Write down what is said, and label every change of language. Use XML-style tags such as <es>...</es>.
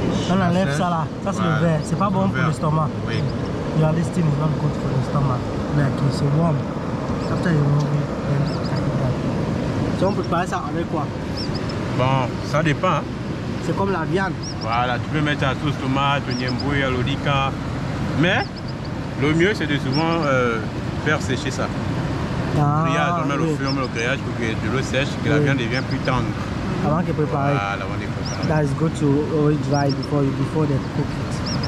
<fr>On enlève ça là, ça c'est le verre, c'est pas bon pour l'estomac. Oui.</fr> <en>You are listening, it's not good for the stomach. Like, it's warm. After you move it, then like that.</en> <fr>So on prépare ça avec quoi? Bon, ça dépend. C'est comme la viande. Voilà, tu peux mettre la sauce tomate, le nyembou, l'olika. Mais, le mieux c'est de souvent faire sécher ça. Ah, on met le feu, on met le grillage pour que de l'eau sèche, que la viande devienne plus tendre. Avant qu'il prépare. Voilà, avant de préparer.</fr> <en>That is good to always dry before they cook it.</en>